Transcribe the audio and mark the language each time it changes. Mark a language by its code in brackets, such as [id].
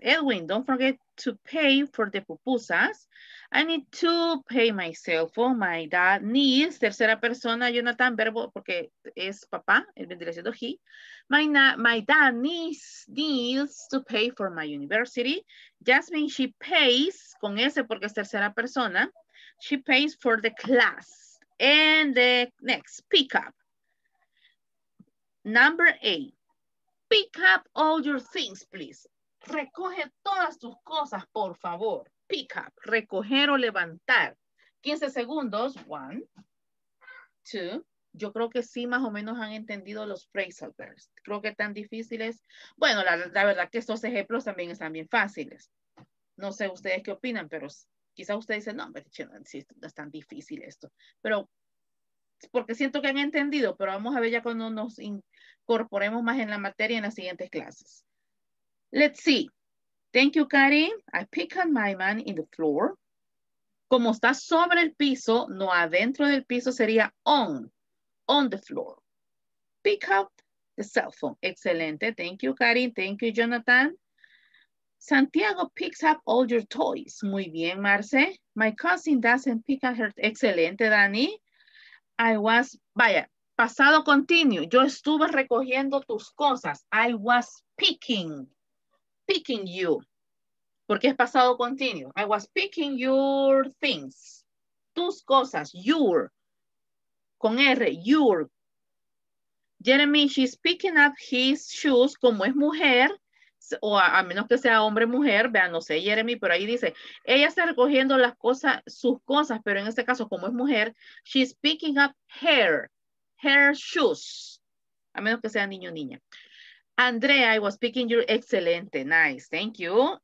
[en] Edwin, don't forget to pay for the pupusas. I need to pay my cell phone, my dad needs. [es] Tercera persona, Jonathan, verbo, porque es papá, el vendría siendo he. [en] My dad needs to pay for my university. [es] Jasmine, [en] she pays, [es] con ese porque es tercera persona. [en] She pays for the class. And the next, pick up. Number 8. Pick up all your things, please. [es] Recoge todas tus cosas, por favor. [en] Pick up, [es] recoger o levantar. 15 segundos. 1, 2. Yo creo que sí, más o menos han entendido los phrasal verbs. Creo que tan difíciles. Bueno, la verdad que estos ejemplos también están bien fáciles. No sé ustedes qué opinan, pero quizá ustedes dicen, no, me dicen, no es tan difícil esto. Pero porque siento que han entendido, pero vamos a ver ya cuando nos incorporemos más en la materia en las siguientes clases. [en] Let's see. Thank you, Kari. I pick up my man in the floor. [es] Como está sobre el piso, no adentro del piso, sería [en] on the floor. Pick up the cell phone. [es] Excelente. [en] Thank you, Kari. Thank you, Jonathan. Santiago picks up all your toys. [es] Muy bien, [en] Marce. My cousin doesn't pick up her. [es] Excelente, [en] Dani. [es] Vaya, pasado continuo. Yo estuve recogiendo tus cosas. [en] I was picking you. [es] Porque es pasado continuo. [en] I was picking your things. [es] Tus cosas, your. Con R, your. [en] Jeremy, she's picking up his shoes. [es] Como es mujer, o a menos que sea hombre, mujer, vean, no sé, Jeremy, pero ahí dice, ella está recogiendo las cosas, sus cosas, pero en este caso, como es mujer, [en] she's picking up her shoes, [es] a menos que sea niño o niña. [en] Andrea, I was picking your, [es] excelente, [en] nice, thank you.